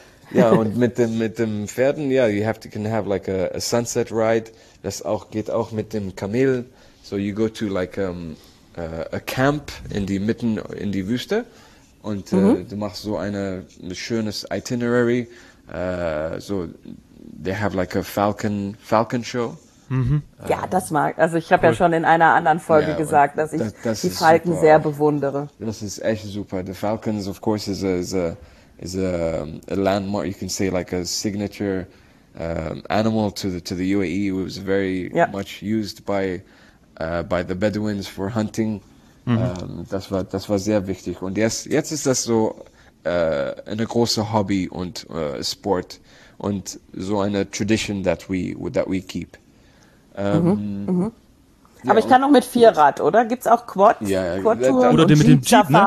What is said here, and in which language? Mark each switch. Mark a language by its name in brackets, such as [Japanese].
[German] Ja, und mit dem Pferden, ja, [English] you have to can have like a sunset ride. [German] Das auch geht auch mit dem Kamel. [English] So you go to like a camp [German] in die mitten in die Wüste und du machst so eine schönes Itinerary. [English] So they have like a falcon show. [German] Mhm. Ja, das mag. Also ich habe ja schon in einer anderen Folge gesagt, dass ich die Falken sehr bewundere. Das ist echt super. [English] The Falcons, of course, is a landmark. You can say like a signature animal to the UAE. It was very much used by the Bedouins for hunting. [German] Das war sehr wichtig. Und jetzt ist das so eine große Hobby und Sport und so eine Tradition [English] that we keep. [German] Aber ich kann auch mit Vierrad, oder? Gibt's auch Quads? Ja, Quad-Touren oder mit dem Jeep, ne?